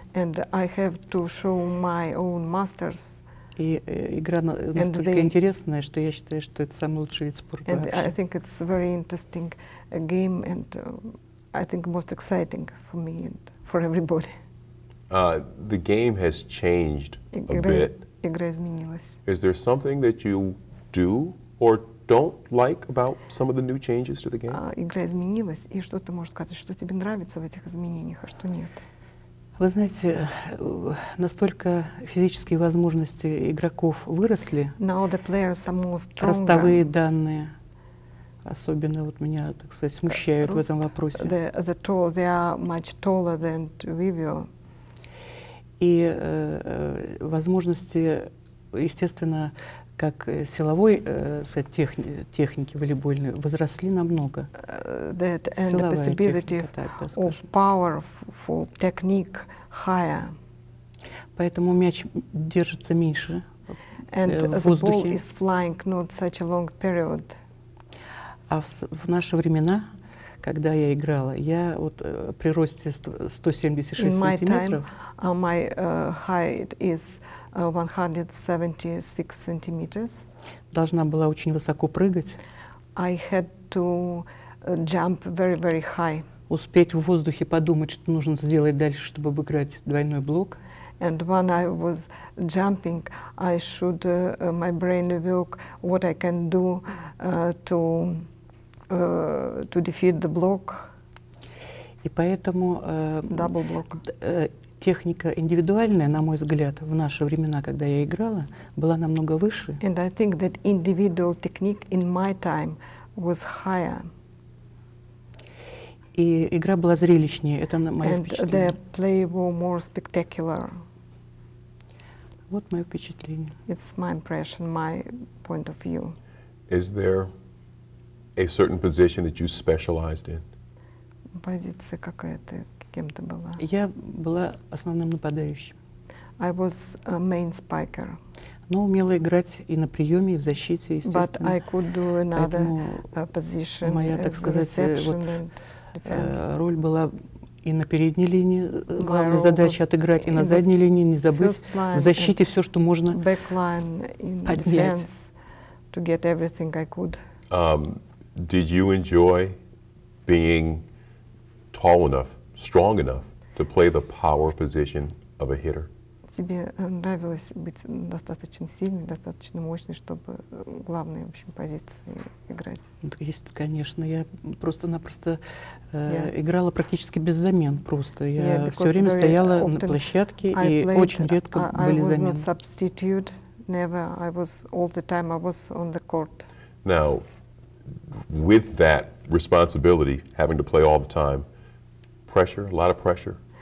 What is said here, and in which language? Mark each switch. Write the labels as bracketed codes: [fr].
[en] And I have to show my own masters. [ru] И игра настолько интересная, что я считаю, что это самый лучший вид спорта. [en] And I think it's very interesting a game, and I think most exciting for me and for everybody. The game has changed a bit. [ru] Игра изменилась. [en] Is there something that you do or don't like about some of the new changes to the game? [ru] Игра изменилась, и что ты можешь сказать, что тебе нравится в этих изменениях, а что нет? Вы знаете, настолько физические возможности игроков выросли. [en] Now the players are more stronger. [ru] Ростовые данные особенно вот меня, так сказать, смущают в этом вопросе. [en] They are much taller than Vivio. [ru] И возможности, естественно, как силовой техники волейбольной возросли намного. [en] That and [ru] силовая [en] the possibility [ru] техника, так, да, [en] of powerful technique higher. [ru] Поэтому мяч держится меньше [en] and [ru] в воздухе. [en] The ball is flying not such a long period. [ru] А в наши времена, когда я играла, я вот при росте 176 сантиметров. [en] In my height is 176 centimeters. [ru] Должна была очень высоко прыгать. [en] I had to jump very, very high. [ru] Успеть в воздухе подумать, что нужно сделать дальше, чтобы обыграть двойной блок. [en] And when I was jumping, I should my brain work what I can do to defeat the block. [ru] И поэтому [en] double block. [ru] Техника индивидуальная, на мой взгляд, в наши времена, когда я играла, была намного выше. [en] And I think that individual technique in my time was higher. [ru] И игра была зрелищнее, это мое [en] And [ru] впечатление. [en] And the play were more spectacular. [ru] Вот мое впечатление. [en] It's my impression, my point of view. Is there a certain position that you specialized in? [ru] Позиция какая-то. Я была основным нападающим. [en] I was a main spiker. [ru] Но умела играть и на приеме, и в защите, естественно. [en] But I could do another position. [ru] Моя, так сказать, вот, роль была и на передней линии, главная задача отыграть, и на задней линии, не забыть, в защите все, что можно поднять. [en] Did you enjoy being tall enough, strong enough to play the power position of a hitter? [ru] Тебе нравилось быть достаточно сильной, достаточно мощной, чтобы главные, в общем, позиции играть? Есть, конечно. Я просто-напросто играла практически без замен. Просто я все время стояла на площадке и очень редко были замены. [en] I was not substitute, never. I was all the time. I was on the court. Now, with that responsibility, having to play all the time, pressure, a lot of pressure.